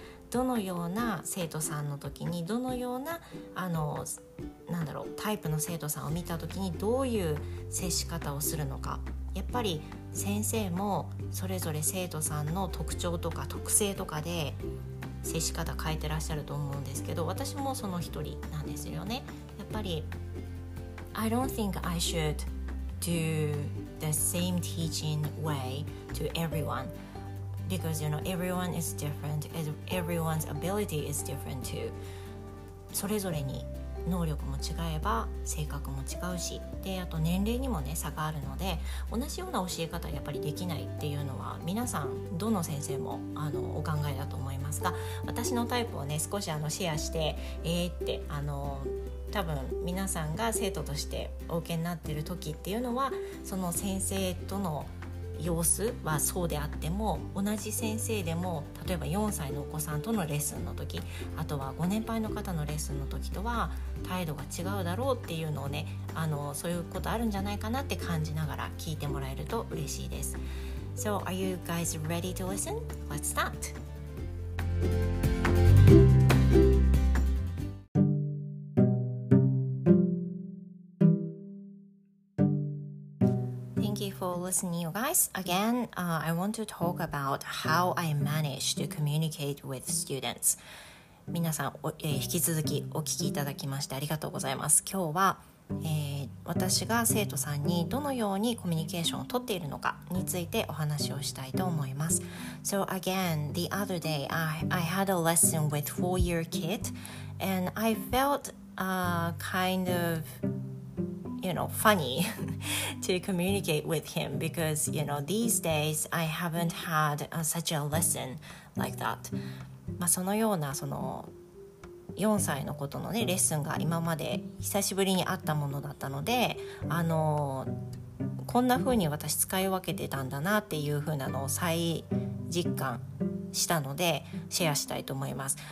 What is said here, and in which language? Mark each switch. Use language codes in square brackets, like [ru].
[ja] どのような生徒さんの時に、どのようなあのなんだろうタイプの生徒さんを見た時にどういう接し方をするのか、やっぱり先生もそれぞれ生徒さんの特徴とか特性とかで接し方変えてらっしゃると思うんですけど、私もその一人なんですよね。やっぱり [en] I don't think I should do the same teaching way to everyoneBecause, you know, everyone is different. Everyone's ability is different too. [ja] それぞれに能力も違えば性格も違うし、であと年齢にもね差があるので、同じような教え方やっぱりできないっていうのは皆さんどの先生もあのお考えだと思いますが、私のタイプをね少しあのシェアして、ってあの多分皆さんが生徒としてお受けになっている時っていうのは、その先生との様子はそうであっても、同じ先生でも例えば4歳のお子さんとのレッスンの時、あとはご年配の方のレッスンの時とは態度が違うだろうっていうのをね、あのそういうことあるんじゃないかなって感じながら聞いてもらえると嬉しいです。 [en] So are you guys ready to listen? Let's start! Listening, you guys. Again, I want to talk about how I manage to communicate with students. [ja] 皆さん、引き続きお聞きいただきましてありがとうございます。今日は、私が生徒さんにどのようにコミュニケーションをとっているのかについてお話をしたいと思います。 [en] So again, the other day I had a lesson with four-year kid and I felt kind of, you know, funny to communicate with him because, you know, these days I haven't had such a lesson like that. [ja] まあ、そのようなその4歳のことのねレッスンが今まで久しぶりにあったものだったので、こんな風に私使い分けてたんだなっていう風なのを再実感したのでシェアしたいと思います。